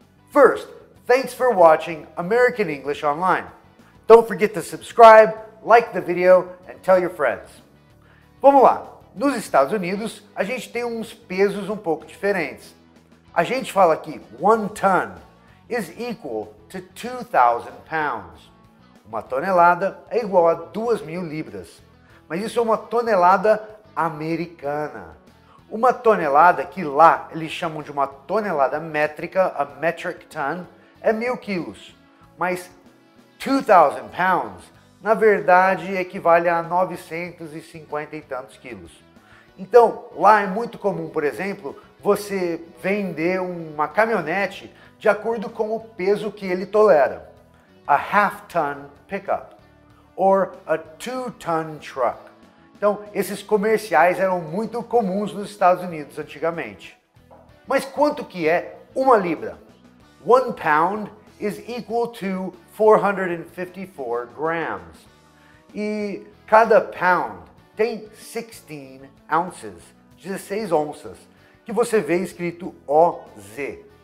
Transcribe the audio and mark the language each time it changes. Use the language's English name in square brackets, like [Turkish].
[English] First, thanks for watching American English Online. Don't forget to subscribe, like the video, and tell your friends. [Portuguese] Vamos lá. Nos Estados Unidos, a gente tem uns pesos um pouco diferentes. A gente fala que [English] 1 ton is equal to 2,000 pounds. [Portuguese] Uma tonelada é igual a 2,000 libras. Mas isso é uma tonelada americana. Uma tonelada que lá eles chamam de uma tonelada métrica, a metric ton, é 1,000 quilos. Mas 2,000 pounds, na verdade, equivale a 950 e tantos quilos. Então, lá é muito comum, por exemplo, você vender uma caminhonete de acordo com o peso que ele tolera. [English] A half-ton pickup, or a 2-ton truck. [Portuguese] Então, esses comerciais eram muito comuns nos Estados Unidos antigamente. Mas quanto que é uma libra? [English] 1 pound is equal to 454 grams. [Portuguese] E cada pound tem 16 ounces, 16 onças, que você vê escrito O-Z.